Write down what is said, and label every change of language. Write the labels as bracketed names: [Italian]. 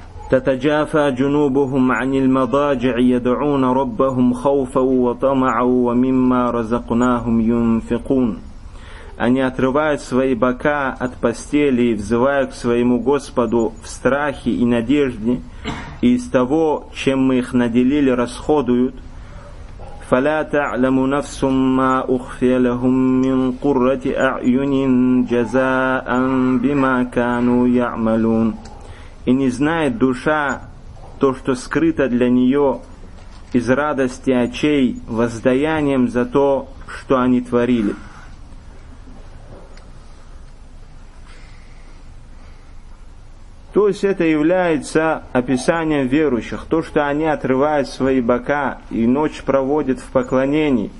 [Arabic] تتجافى جنوبهم عن المضاجع يدعون ربهم خوفا وطمعا ومما رزقناهم ينفقون. [Russian] Они отрывают свои бока от постели и взывают к своему Господу в страхе и надежде, и из того, чем мы их наделили, расходуют, [Arabic] فلا تعلم نفس ما أخفي لهم من قرة أعين جزاء بما كانوا يعملون. [Russian] И не знает душа то, что скрыто для нее из радости очей воздаянием за то, что они творили. То есть это является описанием верующих. То, что они отрывают свои бока и ночь проводят в поклонении.